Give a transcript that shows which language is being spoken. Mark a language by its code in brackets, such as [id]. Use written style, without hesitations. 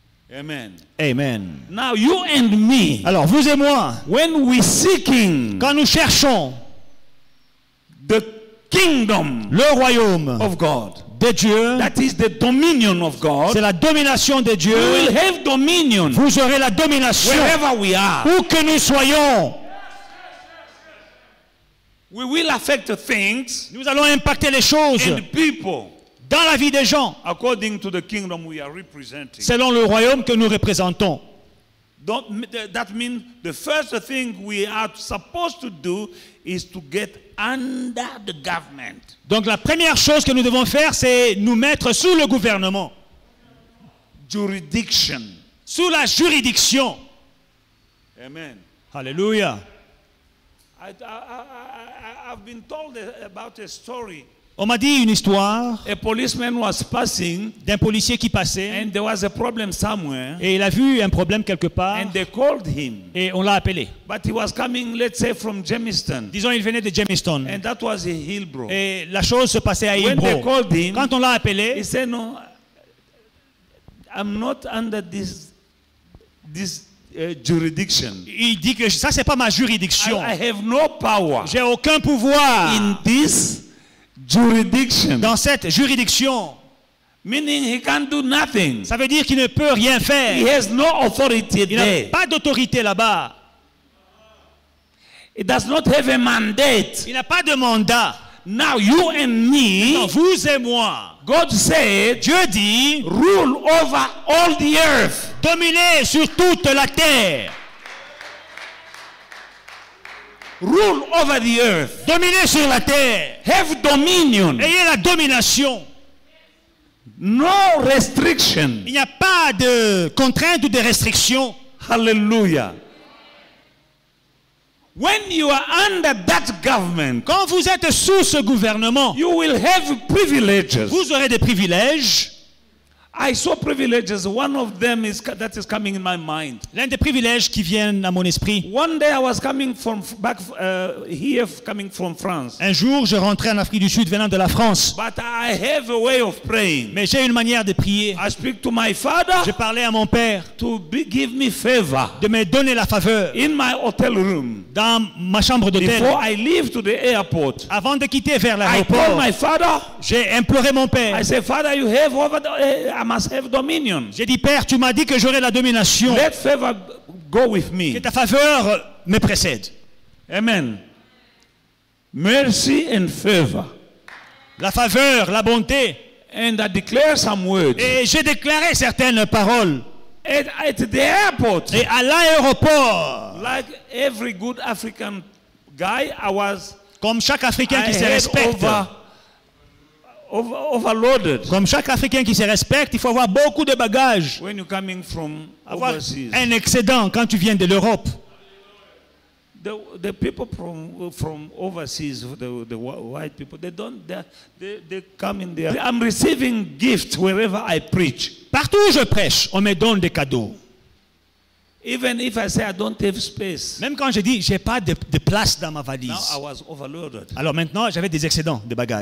[en] Amen. Amen. Now you and me. [fr] Alors vous et moi. [en] When we seeking. [fr] Quand nous cherchons. [en] The kingdom. [fr] Le royaume. [en] Of God. [fr] De Dieu. [en] That is the dominion of God. [fr] C'est la domination de Dieu. [en] We will have dominion. [fr] Vous aurez la domination. [en] Wherever we are. [fr] Où que nous soyons. [en] We will affect the things. [fr] Nous allons impacter les choses. [en] And people. [fr] Dans la vie des gens. [en] According to the kingdom we are representing. [fr] Selon le royaume que nous représentons. [en] Don't, that means the first thing we are supposed to do is to get under the government. [fr] Donc la première chose que nous devons faire, c'est nous mettre sous le gouvernement. [en] Jurisdiction. [fr] Sous la juridiction. [en] Amen. Hallelujah. I've been told about a story. [fr] On m'a dit une histoire. [en] A policeman was passing, [fr] d'un policier qui passait. [en] And there was a problem somewhere, [fr] et il a vu un problème quelque part. [en] And they called him, [fr] et on l'a appelé. [en] But he was coming, let's say, from Jamestown, [fr] disons il venait de Jamestown. [en] And that was a Hillbro. [fr] Et la chose se passait à Hillbro. [en] When they called him, [fr] quand on l'a appelé, [en] he said, no, I'm not under this jurisdiction. [fr] Il dit que ça c'est pas ma juridiction. [en] I have no power. [fr] J'ai aucun pouvoir. [en] In this jurisdiction. [fr] Dans cette juridiction. [en] Meaning he can't do nothing. [fr] Ça veut dire qu'il ne peut rien faire. [en] He has no authority there. [fr] Il n'a pas d'autorité là-bas. [en] He does not have a mandate. [fr] Il n'a pas de mandat. [en] Now you and me. [fr] Vous et moi. [en] God said, [fr] Dieu dit, [en] rule over all the earth. [fr] Dominez sur toute la terre. [en] Rule over the earth. [fr] Dominez sur la terre. [en] Have dominion. [fr] Ayez la domination. [en] No restriction. [fr] Il n'y a pas de contrainte ou de restriction. [en] Hallelujah. When you are under that government, [fr] quand vous êtes sous ce gouvernement, [en] you will have privileges. [fr] Vous aurez des privilèges. [en] I saw privileges. One of them is that is coming in my mind. [fr] L'un des privilèges qui viennent à mon esprit. [en] One day I was coming from back here, coming from France. [fr] Un jour, je rentrais en Afrique du Sud venant de la France. [en] But I have a way of praying. [fr] Mais j'ai une manière de prier. [en] I speak to my father. [fr] Je parlais à mon père. [en] To be, give me favor. [fr] De me donner la faveur. [en] In my hotel room. [fr] Dans ma chambre d'hôtel. [en] Before I leave to the airport. [fr] Avant de quitter vers l'aéroport. [en] I told my father. [fr] J'ai imploré mon père. [en] I said, Father, you have over the, I must have dominion. [fr] J'ai dit, Père, tu m'as dit que j'aurai la domination. [en] Let favor go with me. [fr] Que ta faveur me précède. [en] Amen. Mercy and favor. [fr] La faveur, la bonté. [en] And I declare some words. [fr] Et j'ai déclaré certaines paroles. [en] At the airport. [fr] Et à l'aéroport. [en] Like every good African guy, I was. [fr] Comme chaque Africain qui se respecte. [en] Overloaded. [fr] Comme chaque Africain qui se respecte, il faut avoir beaucoup de bagages. [en] When you're coming from [fr] avoir [en] overseas. [fr] Un excédent quand tu viens de l'Europe. [en] The people from overseas, the white people, they don't they come in there. I'm receiving gifts wherever I preach. [fr] Partout où je prêche, on me donne des cadeaux. [en] Even if I say I don't have space. [fr] Même quand je dis j'ai pas de place dans ma valise. [en] Now I was overloaded. [fr] Alors maintenant j'avais des excédents de bagages.